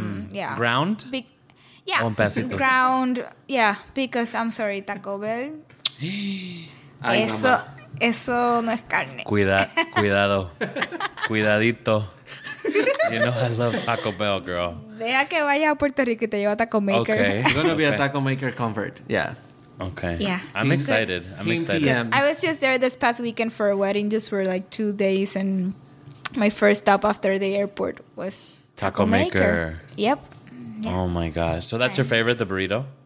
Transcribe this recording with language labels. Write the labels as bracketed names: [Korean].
[English] Yeah. Ground? Yeah. Ground, yeah. Because, I'm sorry, Taco Bell. [Spanish] Ay, eso, eso no es carne. Cuidado. Cuidadito. [English] You know I love Taco Bell, girl. [Spanish] Deja que vaya a Puerto Rico y te lleva a Taco Maker. [English] Okay. You're going to be a Taco Maker convert. Yeah. Okay. Yeah. I'm excited. Yeah. I was just there this past weekend for a wedding, just for like 2 days, and my first stop after the airport was Taco Maker. Yep. Yeah. Oh my gosh. So that's your favorite, the burrito?